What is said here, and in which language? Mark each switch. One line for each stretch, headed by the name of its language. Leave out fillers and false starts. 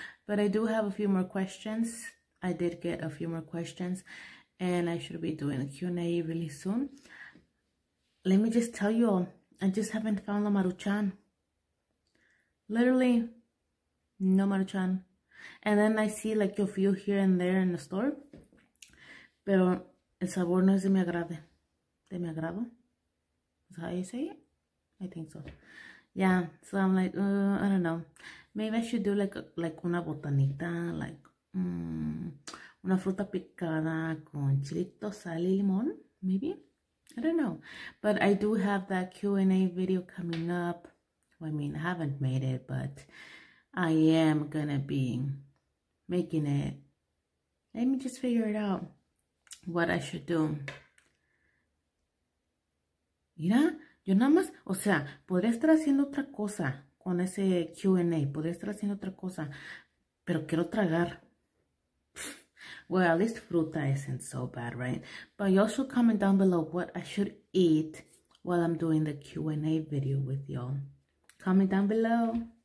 English: But I do have a few more questions. I did get a few more questions. And I should be doing a Q&A really soon. Let me just tell you all. I just haven't found the Maruchan. Literally, no Maruchan. And then I see like a few here and there in the store.
Spanish: Pero el sabor no es de mi agrade. De mi agrado.
English: Is that how you say it? I think so. Yeah, so I'm like, I don't know. Maybe I should do like
Spanish: una botanita,
English: like
Spanish: una fruta picada con chilito, sal y limón,
English: maybe? I don't know. But I do have that Q&A video coming up. I mean, I haven't made it, but I am gonna be making it. Let me just figure it out what I should do.
Spanish: Mira, yo nada más, o sea, podría estar haciendo otra cosa con ese Q&A. Podría estar haciendo otra cosa, pero quiero tragar.
English: Well, at least fruta isn't so bad, right? But you also comment down below what I should eat while I'm doing the Q&A video with y'all. Comment down below.